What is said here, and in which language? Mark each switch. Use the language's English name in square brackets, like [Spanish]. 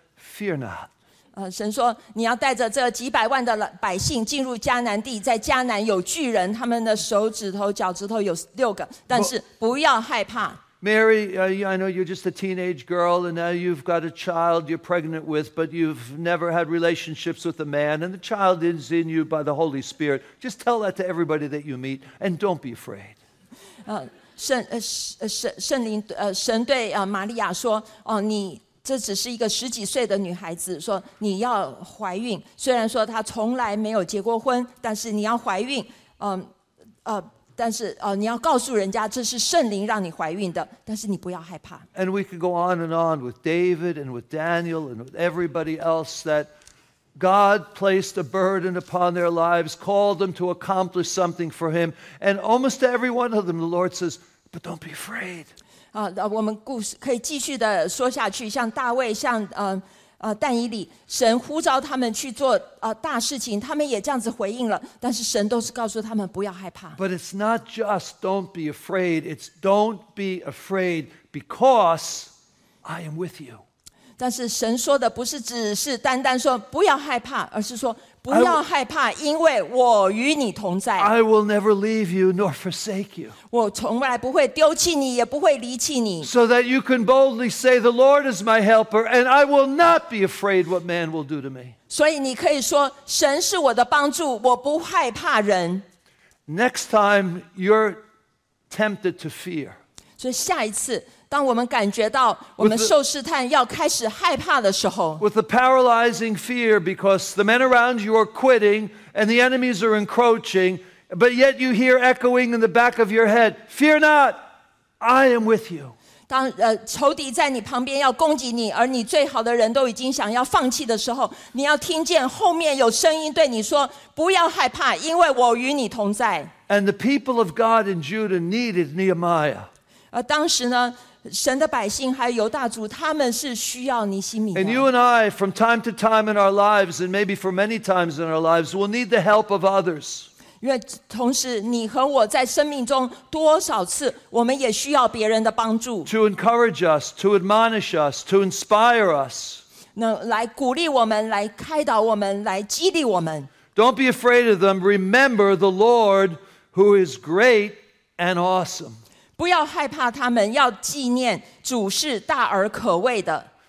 [English] Fear not. [Chinese] 神说你要带着这几百万的百姓进入迦南地，在迦南有巨人，他们的手指头脚趾头有6个，但是不要害怕。 [English] Mary, I know you're just a teenage girl and now you've got a child you're pregnant with, but you've never had relationships with a man and the child is in you by the Holy Spirit. Just tell that to everybody that you meet and don't be afraid. [Chinese] 神对玛利亚说，你这只是一个十几岁的女孩子，说你要怀孕，虽然说她从来没有结过婚，但是你要怀孕，但是你要告诉人家这是圣灵让你怀孕的，但是你不要害怕。 [English] And we could go on and on with David and with Daniel and with everybody else that God placed a burden upon their lives, called them to accomplish something for Him, and almost to every one of them, the Lord says, "But don't be afraid." [Chinese] 我们故事可以继续的说下去，像大卫，像但以理，神呼召他们去做大事情，他们也这样子回应了，但是神都是告诉他们不要害怕。 [English] But it's not just don't be afraid, it's don't be afraid because I am with you. [Chinese] 但是神说的不是只是单单说不要害怕，而是说不要害怕，因为我与你同在。 [English] I will never leave you nor forsake you. [Chinese] 我从来不会丢弃你，也不会离弃你。 [English] So that you can boldly say, the Lord is my helper, and I will not be afraid what man will do to me. [Chinese] 所以你可以说，神是我的帮助，我不害怕人。 [English] Next time you're tempted to fear. [Chinese] 所以下一次当我们感觉到我们受试探要开始害怕的时候 [English] with the paralyzing fear because the men around you are quitting and the enemies are encroaching but yet you hear echoing in the back of your head fear not, I am with you [Chinese] 当仇敌在你旁边要攻击你而你最好的人都已经想要放弃的时候你要听见后面有声音对你说不要害怕因为我与你同在 [English] and the people of God in Judah needed Nehemiah [Chinese] 而当时呢神的百姓还有犹大族他们是需要尼希米的 [English] And you and I from time to time in our lives and maybe for many times in our lives will need the help of others [Chinese] 因为同时你和我在生命中多少次我们也需要别人的帮助 [English] To encourage us, to admonish us, to inspire us [Chinese] 来鼓励我们来开导我们来激励我们 [English] Don't be afraid of them, remember the Lord who is great and awesome [Chinese] 不要害怕他们，要纪念主是大而可畏的。